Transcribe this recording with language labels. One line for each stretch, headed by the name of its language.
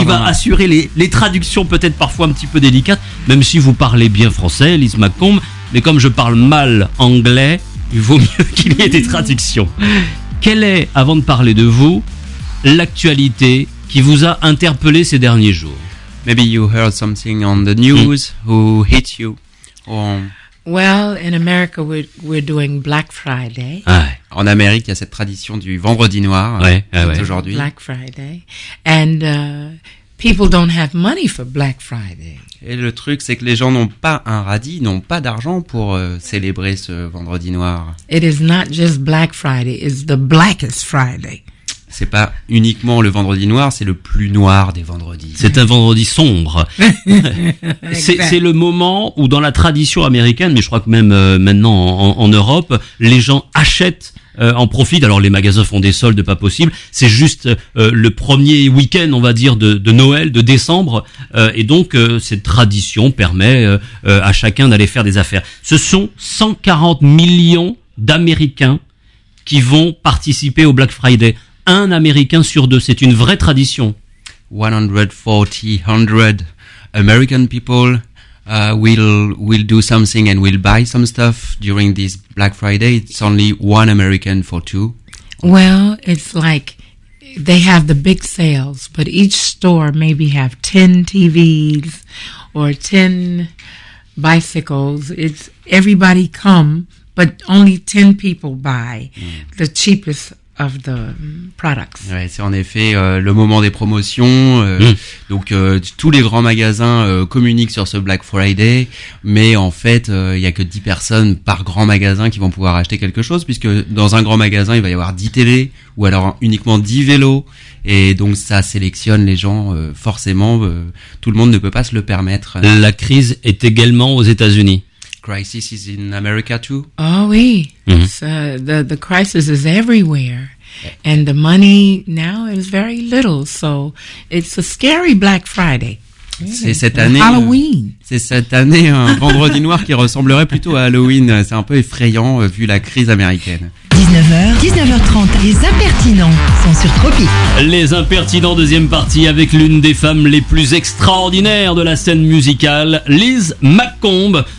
French: Qui va assurer les traductions peut-être parfois un petit peu délicates, même si vous parlez bien français, Lise Maccomb. Mais comme je parle mal anglais, il vaut mieux qu'il y ait des traductions. Quelle est, avant de parler de vous, l'actualité qui vous a interpellé ces derniers jours?
English: Maybe you heard something on the news who hit you. Well, in America we're doing Black Friday.
French: Ouais. En Amérique, il y a cette tradition du vendredi noir. Aujourd'hui.
English: Black Friday. And people don't have money for Black Friday.
French: Et le truc, c'est que les gens n'ont pas un radis, n'ont pas d'argent pour célébrer ce vendredi noir. It is not just Black Friday, it's the blackest Friday. C'est pas uniquement le vendredi noir, c'est le plus noir des vendredis. C'est un vendredi sombre. c'est le moment où, dans la tradition américaine, mais je crois que même maintenant en Europe, les gens achètent, en profitent. Alors les magasins font des soldes pas possibles. C'est juste le premier week-end, on va dire, de Noël, de décembre. Et donc, cette tradition permet à chacun d'aller faire des affaires. Ce sont 140 millions d'Américains qui vont participer au Black Friday. Un Américain sur deux, c'est une vraie tradition.
English: 140 American people will do something and will buy some stuff during this Black Friday. It's only one American for two. Well, it's like they have the big sales, but each store maybe have 10 TVs or 10 bicycles. It's everybody come, but only 10 people buy the cheapest of the products.
French: Ouais, c'est en effet le moment des promotions. Donc tous les grands magasins communiquent sur ce Black Friday, mais en fait il y a que 10 personnes par grand magasin qui vont pouvoir acheter quelque chose, puisque dans un grand magasin il va y avoir 10 télé ou alors uniquement 10 vélos, et donc ça sélectionne les gens forcément. Tout le monde ne peut pas se le permettre. La crise est également aux États-Unis.
English: Crisis is in America too. Oh oui, the crisis is everywhere, and the money now is very little, so it's a scary Black Friday.
French: C'est cette année. Halloween. C'est cette année un vendredi noir qui ressemblerait plutôt à Halloween. C'est un peu effrayant vu la crise américaine. 19h30, les impertinents sont sur Tropic. Les impertinents, deuxième partie, avec l'une des femmes les plus extraordinaires de la scène musicale, Lise Maccomb.